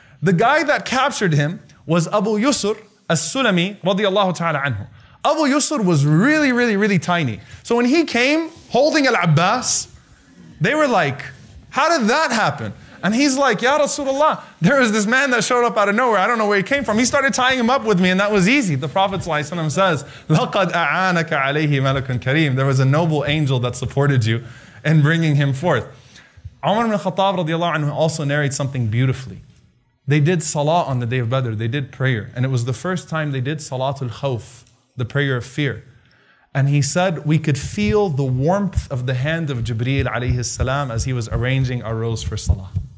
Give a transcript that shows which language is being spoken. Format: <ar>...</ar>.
<en>The guy that captured him was Abu Yusr As-Sulami, radiallahu ta'ala anhu. Abu Yusr was really, really, really tiny. So when he came holding Al-Abbas, they were like, how did that happen? And he's like, Ya Rasulullah, there was this man that showed up out of nowhere. I don't know where he came from. He started tying him up with me, and that was easy. The Prophet ﷺ says,</en> <ar>لَقَدْ أَعَانَكَ عَلَيْهِ مَلَكٌ كَرِيمٌ.</ar> <en>There was a noble angel that supported you in bringing him forth. Umar ibn Khattab radiallahu anhu also narrates something beautifully. They did salah on the day of Badr. They did prayer. And it was the first time they did salatul khawf, the prayer of fear. And he said, we could feel the warmth of the hand of Jibreel alayhi salam as he was arranging our rows for salah.</en>